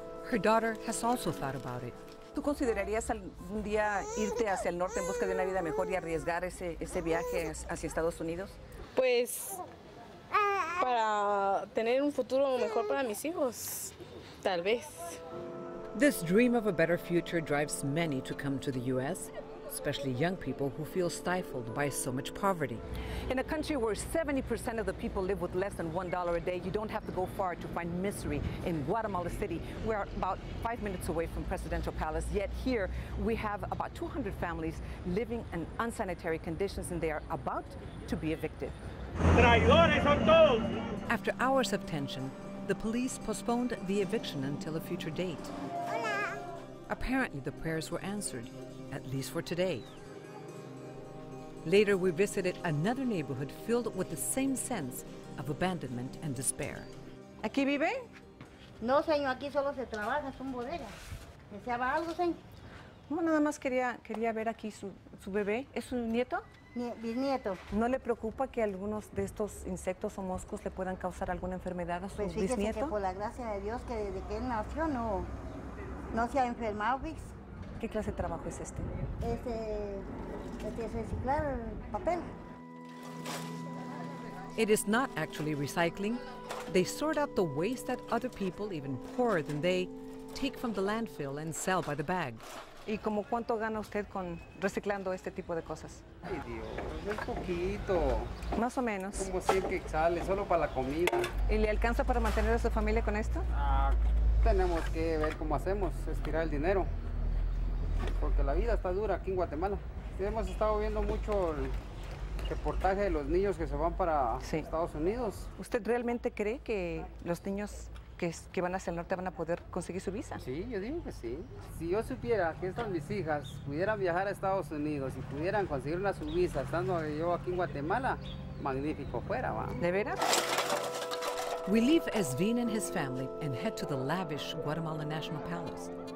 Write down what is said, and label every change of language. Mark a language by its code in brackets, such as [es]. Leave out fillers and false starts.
[en] Her daughter has also thought about it. [es] ¿Tú considerarías algún día irte hacia el norte en busca de una vida mejor y arriesgar ese viaje hacia Estados Unidos? Pues... para tener un futuro mejor para mis hijos, tal vez. [en] This dream of a better future drives many to come to the U.S. especially young people who feel stifled by so much poverty. In a country where 70% of the people live with less than $1 a day, you don't have to go far to find misery. In Guatemala City, we're about 5 minutes away from Presidential Palace, yet here we have about 200 families living in unsanitary conditions, and they are about to be evicted. After hours of tension, the police postponed the eviction until a future date. Apparently, the prayers were answered, at least for today. Later, we visited another neighborhood filled with the same sense of abandonment and despair. [es] ¿Aquí viven? No, señor, aquí solo se trabaja, son bodegas. ¿Deseaba algo, señor? No, nada más quería ver aquí su bebé. ¿Es su nieto? Bisnieto. ¿No le preocupa que algunos de estos insectos o moscos le puedan causar alguna enfermedad a su bisnieto? Pues fíjese que por la gracia de Dios, que desde que él nació, no se ha enfermado, Vix. ¿Qué clase de trabajo es este? Este es reciclar papel. [en] It is not actually recycling. They sort out the waste that other people, even poorer than they, take from the landfill and sell by the bag. [es] ¿Y como cuánto gana usted con reciclando este tipo de cosas? Ay, Dios, un poquito. Más o menos. Como 100 quetzales, solo para la comida. ¿Y le alcanza para mantener a su familia con esto? Tenemos que ver cómo hacemos, estirar el dinero. Porque la vida está dura aquí en Guatemala. Hemos estado viendo mucho el reportaje de los niños que se van para Estados Unidos. ¿Usted realmente cree que los niños que van hacia el norte van a poder conseguir su visa? Sí, yo digo que sí. Si yo supiera que estas mis hijas pudieran viajar a Estados Unidos y pudieran conseguir una su visa estando yo aquí en Guatemala, magnífico fuera, va. ¿De veras? [en] We leave Esvin and his family and head to the lavish Guatemala National Palace.